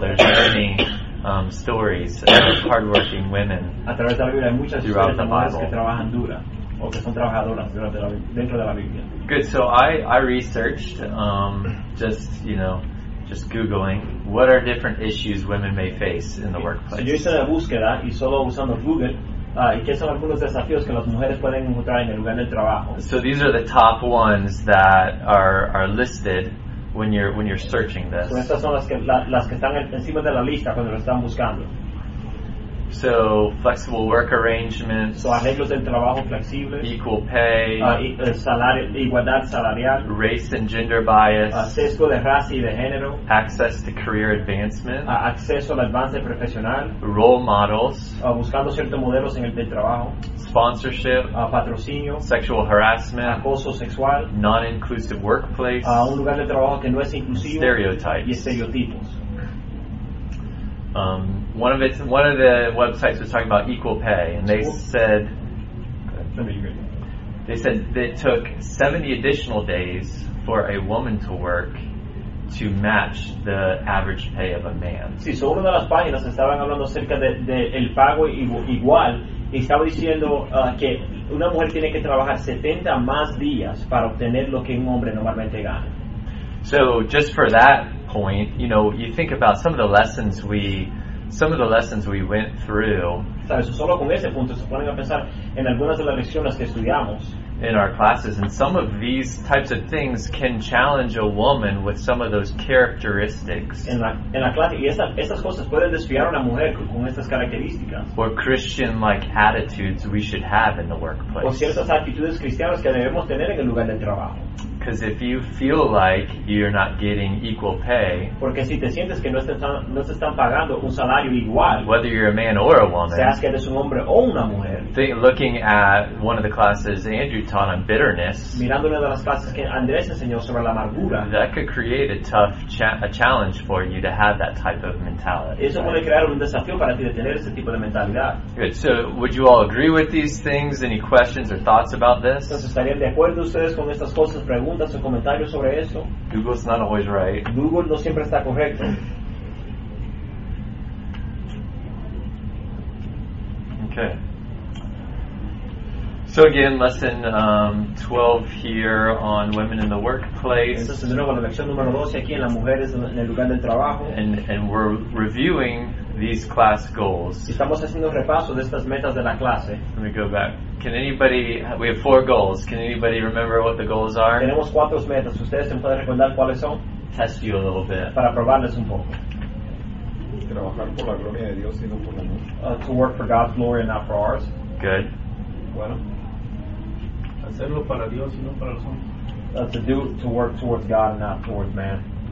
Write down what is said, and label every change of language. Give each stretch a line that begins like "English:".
English: There's many stories of hardworking women throughout the Bible. Good. So I researched just Googling what are different issues women may face in the workplace.
Spanish: Yo hice la búsqueda y solo usando Google. ¿Y qué son algunos desafíos que las mujeres pueden encontrar en el lugar del trabajo?
English: So these are the top ones that are listed when you're searching this.
Spanish: So estas son las que están encima de la lista cuando lo están buscando.
English: So flexible work arrangements.
Spanish: So arreglos del trabajo flexibles.
English: Equal pay.
Spanish: Igualdad salarial.
English: Race and gender bias.
Spanish: Sesgo de raza y de género.
English: Access to career advancement.
Spanish: Acceso al avance profesional.
English: Role models.
Spanish: Buscando ciertos modelos en el del trabajo.
English: Sponsorship.
Spanish: Patrocinio.
English: Sexual harassment.
Spanish: Acoso sexual.
English: Non-inclusive workplace.
Spanish: Un lugar de trabajo que no es inclusivo.
English: Stereotypes.
Spanish: Y estereotipos.
English: One of the websites was talking about equal pay, and they said that it took 70 additional days for a woman to work to match the average pay of a man.
Spanish: Sí, so una de las páginas estaban hablando acerca de el pago igual, y estaba diciendo que una mujer tiene que trabajar 70 más días para obtener lo que un hombre normalmente gana.
English: So just for that point, you know, you think about some of the lessons we went through.
Spanish: Sabes, solo con ese punto se ponen a pensar en algunas de las lecciones que estudiamos
English: in our classes, and some of these types of things can challenge a woman with some of those characteristics.
Spanish: En la clase, y esas cosas pueden desviar a una mujer con estas características.
English: Or Christian-like attitudes we should have in the workplace.
Spanish: O ciertas actitudes cristianas que debemos tener en el lugar del trabajo.
English: Because if you feel like you're not getting equal pay,
Spanish: porque si te sientes que no te están pagando un salario igual,
English: whether you're a man or a woman,
Spanish: seas que eres un hombre o una mujer,
English: looking at one of the classes Andrew taught on bitterness,
Spanish: mirando una de las clases que Andrés enseñó sobre la amargura,
English: that could create a tough challenge for you to have that type of mentality.
Spanish: Eso puede crear un desafío para ti de tener ese tipo de mentalidad.
English: Good. So, would you all agree with these things? Any questions or thoughts about this?
Spanish: Entonces, ¿estarían de acuerdo ustedes con estas cosas? Preguntas o comentarios sobre eso.
English: Google's not always right.
Spanish: Google no siempre está correcto.
English: Okay. So again, lesson 12 here on women in the workplace.
Spanish: Entonces de nuevo la lección número 12 aquí en las mujeres en el lugar del trabajo.
English: And we're reviewing these class goals.
Spanish: Estamos haciendo repaso de estas metas de la clase.
English: Let me go back. Can anybody? We have four goals. Can anybody remember what the goals are?
Spanish: Tenemos cuatro metas. ¿Ustedes se pueden recordar cuáles son?
English: Test you a little bit.
Spanish: Para probarles un poco. Trabajar por la gloria de Dios y no por la nuestra.
English: To work for God's glory and not for ours. Good.
Spanish: Bueno. Hacerlo para Dios y no para los hombres.
English: To work towards God and not towards man.